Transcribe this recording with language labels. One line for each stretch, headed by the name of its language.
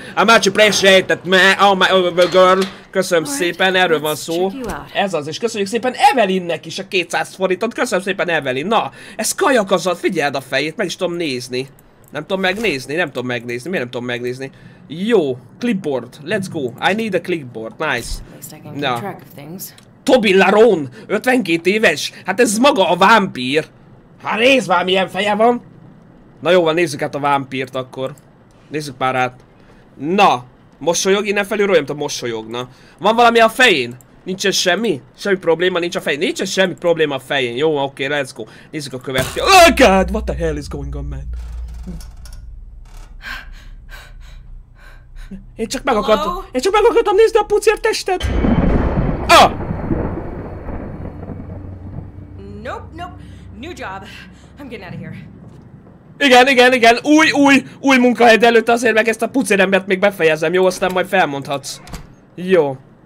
English: I much appreciate that, man, oh my, girl!
Hungarian: Köszönöm szépen, erről van szó. Ez az, és köszönjük szépen Evelynnek is a 200 forintot, köszönöm szépen Evelyn. Na, ez kajak az, figyeld a fejét, meg is tudom nézni. Nem tudom megnézni, nem tudom megnézni, miért nem tudom megnézni?
English: Jó, clipboard, let's go, I need a clipboard, nice.
Hungarian: Na. Toby Laron, 52 éves, hát ez maga a vámpír. Hát nézd már milyen feje van. Na jó van, nézzük hát a vámpírt akkor. Nézzük már át. Na, mosolyog innen felül, olyan, mint a mosolyogna. Van valami a fején? Nincsen semmi? Semmi probléma nincs a fején? Nincsen semmi probléma a fején, jó, oké,
English: okay, let's go.
Hungarian: Nézzük a következő.
English: Oh god, what the hell is going on, man?
Hungarian: Én csak meg akartam, én csak meg akartam nézni a pucér testet! Ah!
English: Nope, nope, new job. I'm getting out of here.
Hungarian: Igen, igen, igen, új munkahely, de előtte azért meg ezt a pucérembert még befejezem, jó, aztán majd felmondhatsz. Jó.